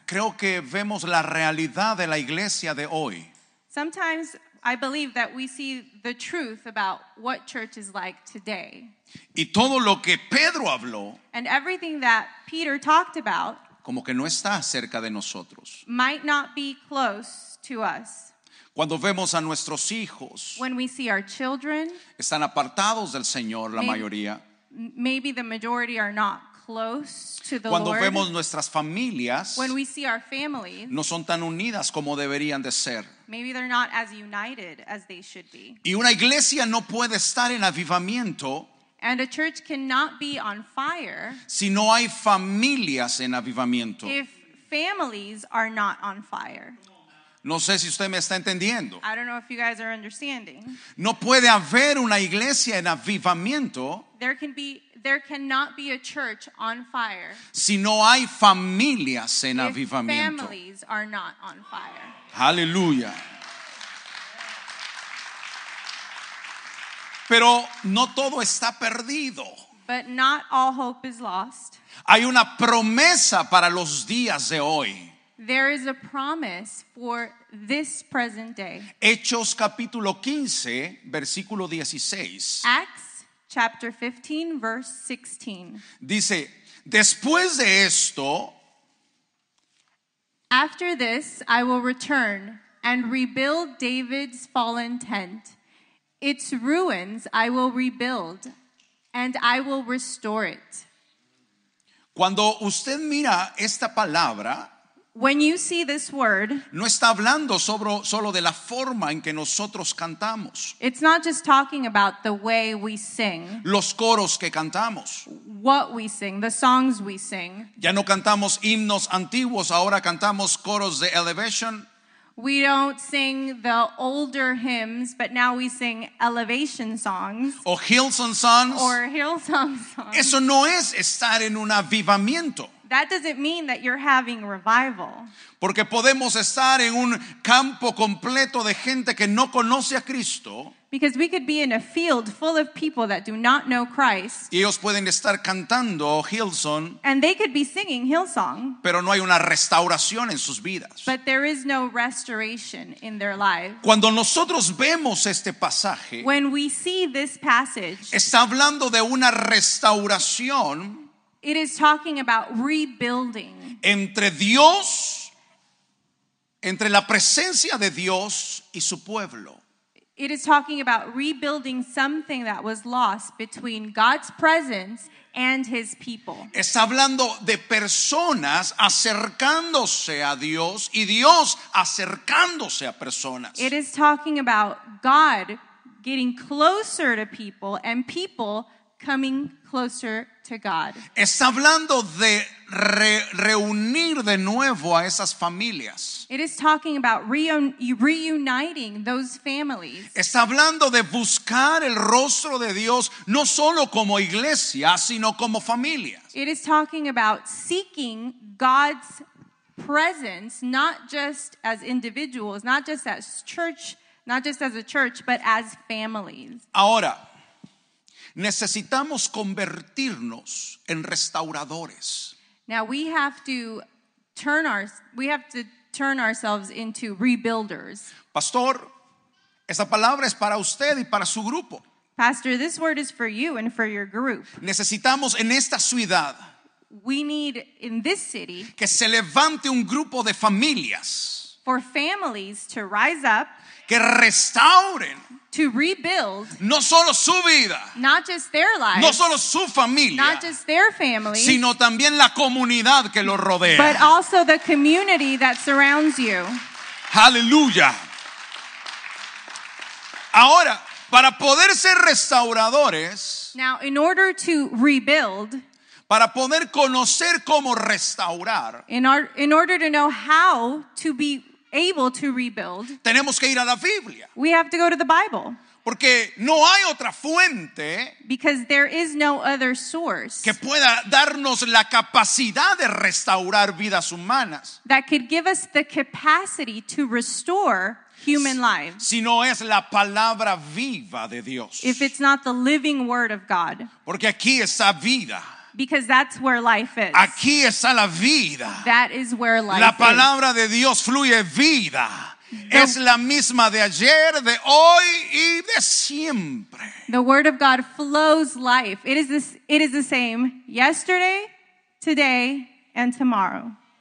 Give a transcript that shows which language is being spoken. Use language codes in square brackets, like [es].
[es] creo que vemos la realidad de la iglesia de hoy. [en] Sometimes I believe that we see the truth about what church is like today. [es] Y todo lo que Pedro habló, [en] and everything that Peter talked about, [es] como que no está cerca de nosotros, [en] might not be close to us. [es] Cuando vemos a nuestros hijos, [en] when we see our children, [es] están apartados del Señor, la mayoría. [en] Maybe the majority are not close to the [es] cuando [en] Lord. [es] Vemos nuestras familias, [en] when we see our families, [es] no son tan unidas como deberían de ser. [en] Maybe they're not as united as they should be. [es] Y una iglesia no puede estar en avivamiento, [en] and a church cannot be on fire, [es] si no hay familias en avivamiento, [en] if families are not on fire. [es] No sé si usted me está entendiendo. [en] I don't know if you guys are understanding. [es] No puede haber una iglesia en avivamiento, [en] there cannot be a church on fire, [es] si no hay familias en [en] if [es] avivamiento, [en] families are not on fire. [es] Aleluya. Pero no todo está perdido. [en] But not all hope is lost. [es] Hay una promesa para los días de hoy. [en] There is a promise for this present day. [es] Hechos capítulo 15, versículo 16. [en] Acts chapter 15, verse 16. [es] Dice, después de esto, [en] after this, I will return and rebuild David's fallen tent. Its ruins I will rebuild, and I will restore it. [es] Cuando usted mira esta palabra, [en] when you see this word, [es] no está hablando solo de la forma en que nosotros cantamos. [en] It's not just talking about the way we sing. [es] Los coros que cantamos. [en] What we sing, the songs we sing. [es] Ya no cantamos himnos antiguos, ahora cantamos coros de Elevation. [en] We don't sing the older hymns, but now we sing Elevation songs. [es] O Hillsong songs. [en] Or Hillsong songs. [es] Eso no es estar en un avivamiento. [en] That doesn't mean that you're having revival. [es] Porque podemos estar en un campo completo de gente que no conoce a Cristo. [en] Because we could be in a field full of people that do not know Christ. [es] Y ellos pueden estar cantando Hillsong. [en] And they could be singing Hillsong. [es] Pero no hay una restauración en sus vidas. [en] But there is no restoration in their lives. [es] Cuando nosotros vemos este pasaje, [en] when we see this passage, [es] está hablando de una restauración. [en] It is talking about rebuilding. [es] Entre Dios, entre la presencia de Dios y su pueblo. [en] It is talking about rebuilding something that was lost between God's presence and his people. [es] Está hablando de personas acercándose a Dios y Dios acercándose a personas. [en] It is talking about God getting closer to people and people coming closer to God. [es] Está hablando de reunir de nuevo a esas familias. [en] It is talking about reuniting those families. [es] Está hablando de buscar el rostro de Dios no solo como iglesia, sino como familia. [en] It is talking about seeking God's presence, not just as individuals, not just as church, not just as a church, but as families. [es] Ahora, necesitamos convertirnos en restauradores. [en] Now we have to turn ourselves into rebuilders. [es] Pastor, esa palabra es para usted y para su grupo. [en] Pastor, this word is for you and for your group. [es] Necesitamos en esta ciudad. [en] We need in this city. [es] Que se levante un grupo de familias. [en] For families to rise up. [es] Que restauren. [en] To rebuild, [es] no solo su vida, [en] not just their lives, [es] no solo su familia, [en] not just their family, [es] sino también la comunidad que lo rodea, [en] but also the community that surrounds you. Hallelujah. [es] Ahora, para poder ser restauradores, [en] now in order to rebuild, [es] para poder conocer cómo restaurar, [en] in order to know how to be able to rebuild. [es] Tenemos que ir a la Biblia. [en] We have to go to the Bible. [es] Porque no hay otra fuente. [en] Because there is no other source. [es] Que pueda darnos la capacidad de restaurar vidas humanas. [en] That could give us the capacity to restore human lives. [es] Si no es la palabra viva de Dios. [en] If it's not the living word of God. [es] Porque aquí está vida. [en] Because that's where life is. [es] Aquí está la vida. [en] That is where life is. [es] La palabra de Dios fluye vida. Es la misma de ayer, de hoy y de siempre. [en] The word of God flows life. It is the same yesterday, today, and tomorrow.